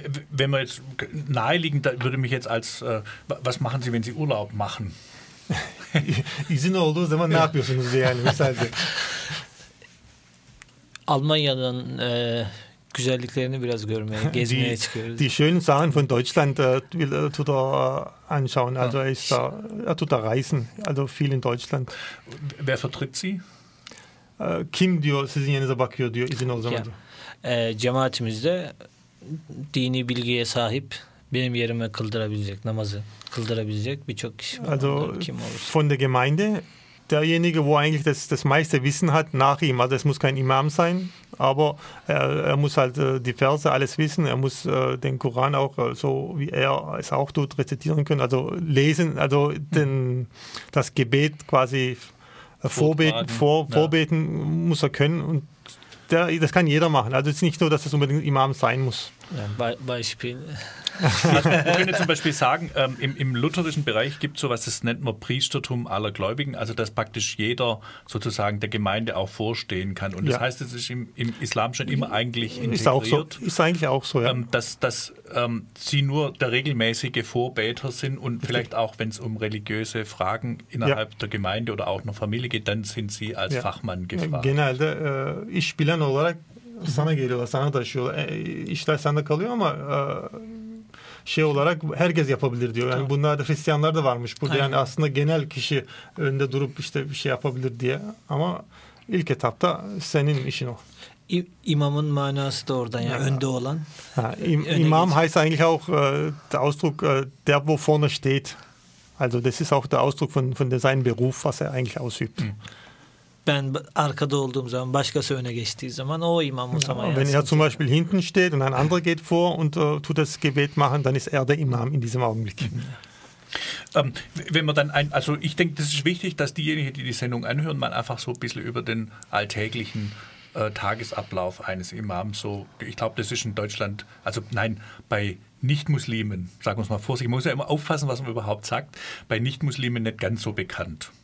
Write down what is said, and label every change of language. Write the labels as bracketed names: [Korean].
[German] Wenn wir jetzt naheliegend, da würde mich jetzt als was machen Sie, wenn Sie Urlaub machen? [Turkish] İzin olduğu zaman ne yapıyorsunuz yani mesela? Almanya'dan güzelliklerini biraz görmeye, gezmeye çıkıyoruz. [German] Die schönen Sachen von Deutschland will tut er anschauen. Also er tut da reisen, also viel in Deutschland. Wer vertritt Sie? [Turkish] Kim diyor, sizin yerinize bakıyor diyor, izin ol zaman. Cemaatimizde dini bilgiye sahip, benim yerime kıldırabilecek, namazı kıldırabilecek birçok kişi var. [German] Also [Turkish] kim olursa. [German] Von der Gemeinde? Derjenige, wo eigentlich das meiste Wissen hat, nach ihm. Also es muss kein Imam sein, aber er muss halt die Verse alles wissen. Er muss den Koran auch so, wie er es auch tut, rezitieren können. Also lesen, also das Gebet quasi vorbeten muss er können. Und das kann jeder machen. Also es ist nicht so, dass es unbedingt Imam sein muss. Ja, Beispiel. Also, ich könnte zum Beispiel sagen, im lutherischen Bereich gibt es sowas, das nennt man Priestertum aller Gläubigen, also dass praktisch jeder sozusagen der Gemeinde auch vorstehen kann. Und das heißt, es ist im Islam schon immer eigentlich integriert. Ist auch so, ist eigentlich auch so, ja. Dass sie nur der regelmäßige Vorbeter sind und vielleicht auch, wenn es um religiöse Fragen innerhalb der Gemeinde oder auch einer Familie geht, dann sind sie als Fachmann gefragt. Genau, ich spiele eine Rolle. [Turkish] Sana geliyorlar, sana taşıyorlar. İşler sende kalıyor ama şey olarak herkes yapabilir diyor. Yani bunlarda Hristiyanlar da varmış burada. Aynen. Yani aslında genel kişi önde durup işte bir şey yapabilir diye. Ama ilk etapta senin işin o. İmamın manası da oradan yani önde olan. [German] İmam heißt eigentlich auch der Ausdruck der, wo vorne steht. Also das ist auch der Ausdruck von seinem Beruf, was eigentlich ausübt. [Turkish] Ben arkada olduğum zaman, başkası öne geçtiği zaman o imam o zaman. [German] Wenn er zum Beispiel hinten steht und ein anderer geht vor und tut das Gebet machen, dann ist er der Imam in diesem Augenblick. Wenn man dann also ich denke, das ist wichtig, dass diejenigen, die die Sendung anhören, mal einfach so ein bisschen über den alltäglichen Tagesablauf eines Imams so, ich glaube, das ist in Deutschland, also nein, bei Nicht-Muslimen, sagen wir es mal vorsichtig, man muss ja immer aufpassen, was man überhaupt sagt, bei Nicht-Muslimen nicht ganz so bekannt.